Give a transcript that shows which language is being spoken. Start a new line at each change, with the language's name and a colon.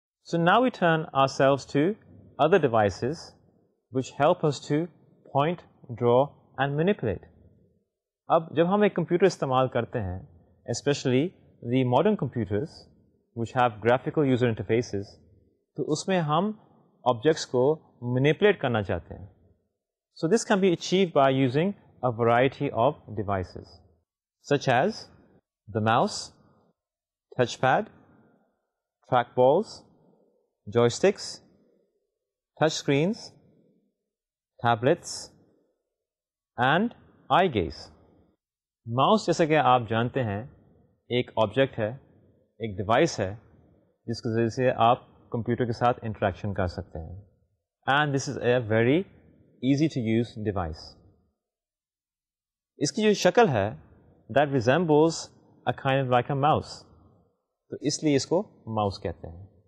English: So now we turn ourselves to other devices which help us to point, draw and manipulate.
Urdu: اب جب ہم ایک computer استعمال کرتے ہیں,
English: especially the modern computers which have graphical user interfaces,
Urdu: تو اس میں ہم آبجیکٹس کو مینیپولیٹ کرنا چاہتے ہیں.
English: So this can be achieved by using a variety of devices such as the mouse, touchpad, trackballs, joysticks, touch screens, tablets and eye gaze.
Urdu: Mouse, جیسا کہ آپ جانتے ہیں, ایک object ہے, ایک device ہے جس کے ذریعے سے آپ computer کے ساتھ interaction کر سکتے ہیں,
English: and this is a very easy to use device.
Urdu: Iski jo shakal hai,
English: that resembles a kind of like a mouse,
Urdu: to isliye isko mouse kehte hain.